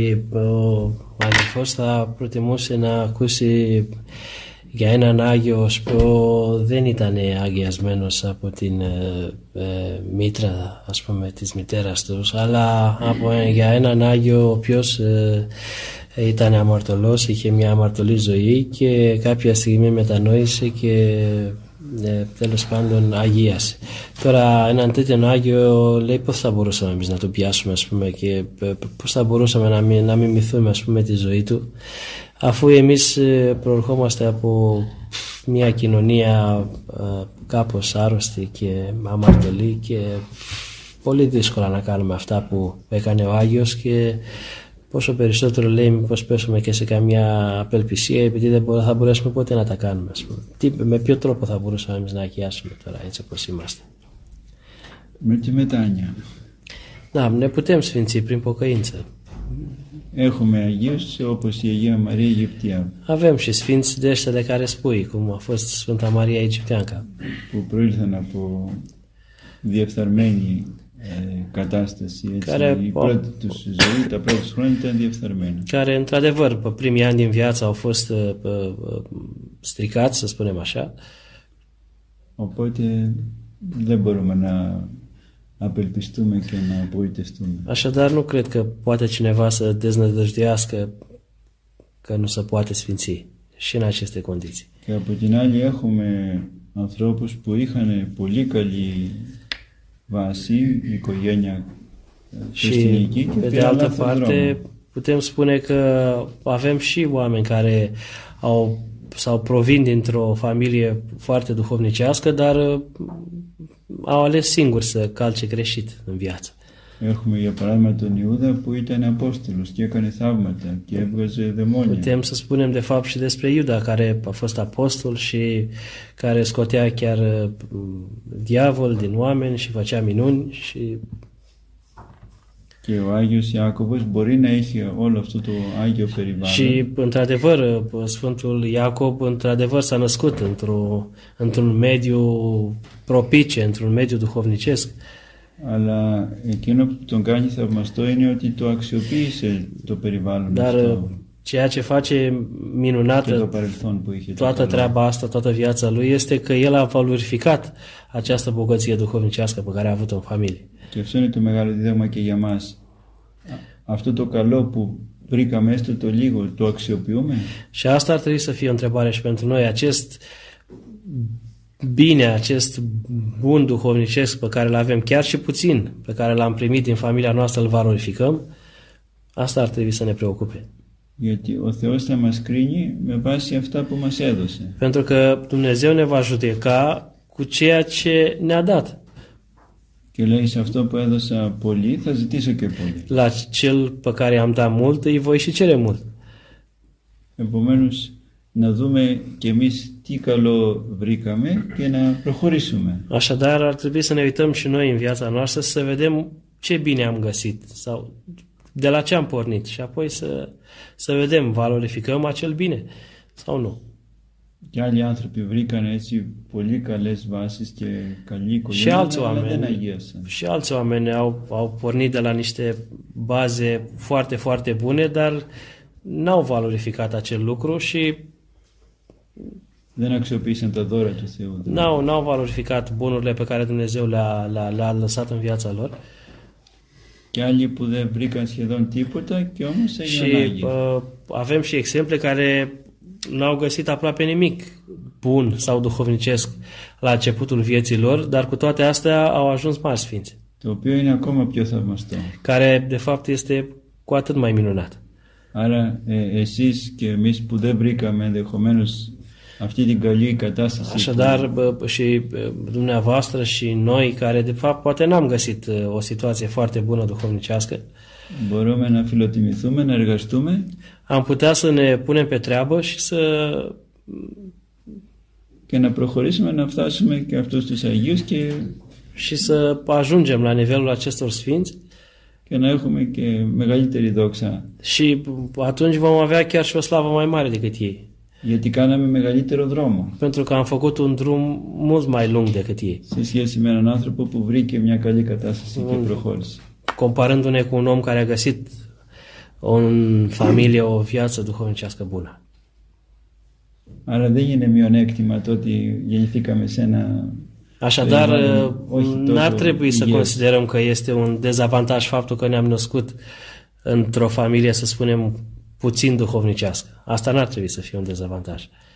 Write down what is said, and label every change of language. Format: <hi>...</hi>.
<ro>Chiar în ziua asta ne putem face.</ro> <el>Για έναν Άγιο που δεν ήταν αγιασμένος από την μήτρα, ας πούμε, της μητέρας τους, αλλά για έναν Άγιο ο οποίος ήταν αμαρτωλός, είχε μια αμαρτωλή ζωή και κάποια στιγμή μετανόησε και τέλος πάντων αγίασε. Τώρα έναν τέτοιον Άγιο, λέει, πώς θα μπορούσαμε εμείς να το πιάσουμε, ας πούμε, και πώς θα μπορούσαμε να μιμηθούμε, ας πούμε, τη ζωή του, αφού εμείς προερχόμαστε από μια κοινωνία κάπως άρρωστη και αμαρτωλή και πολύ δύσκολα να κάνουμε αυτά που έκανε ο Άγιος, και πόσο περισσότερο, λέει, μήπως πέσουμε και σε καμιά απελπισία, επειδή δεν θα μπορέσουμε ποτέ να τα κάνουμε. Με ποιο τρόπο θα μπορούσαμε εμείς να αγιάσουμε τώρα έτσι όπως είμαστε? Με τη μετάνοια.</el> <ro>Να, ναι, ποτέ μου σφίντσι πριν ποκαίντσα.</ro> <el>Έχουμε Αγίους όπως η Αγία Μαρία Αιγυπτία.</el> <ro>Avem și Sfinți de aștele care spui, cum a fost Sfânta Maria Egipteanca.</ro> <el>Που προήλθαν από διεφθαρμένη κατάσταση, έτσι,</el> <ro>care,</ro> <el>η πρώτη τους ζωή, τα πρώτα τους χρόνια ήταν διεφθαρμένη.</el> <ro>Care, într-adevăr, pe primii ani din viață au fost stricați, să spunem așa.</ro> <el>Οπότε δεν μπορούμε να απελπιστούμε και να απογοητευτούμε.</el> <ro>Așadar, nu cred că poate cineva să deznădăjduiască că nu se poate sfinți și în aceste condiții.</ro> <el>Και από την άλλη έχουμε ανθρώπους που είχαν πολύ καλή βάση, οικογένεια, χριστιανική, και πήραν λάθος δρόμο.</el> <ro>Parte, putem spune că avem și oameni care sau provin dintr-o familie foarte duhovnicească, dar au ales singur să calce greșit în viață.</ro> <el>Έχουμε για παράδειγμα τον Ιούδα που ήταν Απόστολος και έκανε θαύματα και έβγαζε δαιμόνια.</el> <ro>Putem să spunem de fapt și despre Iuda, care a fost apostol și care scotea chiar diavol din oameni și făcea minuni și...</ro> <el>Και ο Άγιος Ιάκωβος μπορεί να είχε όλο αυτό το Άγιο περιβάλλον.</el> <ro>Și, într-adevăr, Sfântul Iacob, într-adevăr, s-a născut într-un mediu propice, într-un mediu duhovnicesc.</ro> <el>Αλλά εκείνο που τον κάνει θαυμαστό είναι ότι το αξιοποίησε το περιβάλλον αυτό.</el> <ro>Dar ceea ce face minunată toată treaba asta, toată viața lui, este că el a valorificat această bogăție duhovnicească pe care a avut-o în familie.</ro> <el>Και αυτό είναι το μεγάλο δίδαγμα και για μας. Αυτό το καλό που βρήκαμε, έστω το λίγο, το αξιοποιούμε.</el> <ro>Și asta ar trebui să fie o întrebare și pentru noi. Acest bine, acest bun duhovnicesc pe care l-avem, chiar și puțin, pe care l-am primit din familia noastră, îl valorificăm? Asta ar trebui să ne preocupe.</ro> <el>Γιατί ο Θεός θα μας κρίνει με βάση αυτά που μας έδωσε.</el> <ro>Pentru că Dumnezeu ne va judeca cu ceea ce ne-a dat.</ro> <el>Και λέει, σε αυτό που έδωσα πολύ, θα ζητήσω και πολύ.</el> <ro>La cel pe care am dat mult, îi voi și cere mult.</ro> <el>Επομένως, να δούμε και εμείς τι καλό βρήκαμε και να προχωρήσουμε.</el> <ro>Așadar, ar trebui să ne uităm și noi în viața noastră să vedem ce bine am găsit sau de la ce am pornit și apoi să vedem, valorificăm acel bine sau nu.</ro> <el>Και άλλοι άνθρωποι βρήκαν έτσι πολύ καλές βάσεις και καλή οικογένεια, αλλά δεν αγίασαν.</el> <ro>Și alți oameni au pornit de la niște baze foarte, foarte bune, dar n-au valorificat acel lucru și...</ro> <el>Δεν αξιοποίησαν τα δώρα του Θεού.</el> <ro>N-au valorificat bunurile pe care Dumnezeu le-a lăsat în viața lor.</ro> <el>Και άλλοι που δεν βρήκαν σχεδόν τίποτα και όμως έγιναν άγιοι.</el> <ro>Avem și exemple care n-au găsit aproape nimic bun sau duhovnicesc la începutul vieții lor, dar cu toate astea au ajuns mari sfinți.</ro> <el>Το οποίο είναι ακόμα πιο θαυμαστό.</el> <ro>Care de fapt este cu atât mai minunat.</ro> <el>Άρα εσείς και εμείς που δεν βρήκαμε ενδεχομένως αυτή την καλή κατάσταση.</el> <ro>Așadar, și dumneavoastră și noi care de fapt poate n-am găsit o situație foarte bună duhovnicească.</ro> <el>Μπορούμε να φιλοτιμηθούμε, να εργαστούμε.</el> <ro>Am putea să ne punem pe treabă și să...</ro> <el>Και να προχωρήσουμε, να φτάσουμε και αυτούς τους Αγίους και...</el> <ro>Și să ajungem la nivelul acestor sfinți.</ro> <el>Και να έχουμε και μεγαλύτερη δόξα.</el> <ro>Și atunci vom avea chiar și o slavă mai mare decât ei.</ro> <el>Γιατί κάναμε μεγαλύτερο δρόμο.</el> <ro>Pentru că am făcut un drum mult mai lung decât ei.</ro> <el>Σε σχέση με έναν άνθρωπο που βρήκε μια καλή κατάσταση και προχώρησε.</el> <ro>Comparându-ne cu un om care a găsit o familie, o viață duhovnicească bună.</ro> <el>Άρα δεν είναι μειονέκτημα το ότι γεννηθήκαμε σε ένα...</el> <ro>Așadar, n-ar trebui să considerăm că este un dezavantaj faptul că ne-am născut într-o familie, să spunem, puțin duhovnicească. Asta n-ar trebui să fie un dezavantaj.</ro>